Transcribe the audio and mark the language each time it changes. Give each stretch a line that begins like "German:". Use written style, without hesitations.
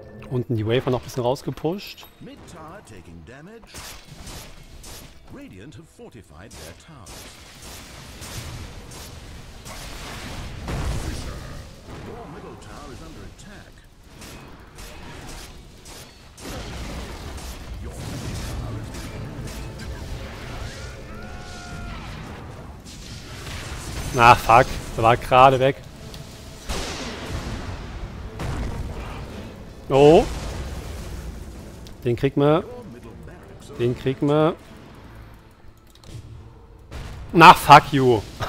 German: Unten die Wafer noch ein bisschen rausgepusht.
English: Mid-Tower taking damage. Radiant have fortified their tower. Your middle tower is under attack. Your middle tower is under attack.
German: Na fuck, der war gerade weg. Oh. Den kriegt man. Den kriegt man. Na, fuck you.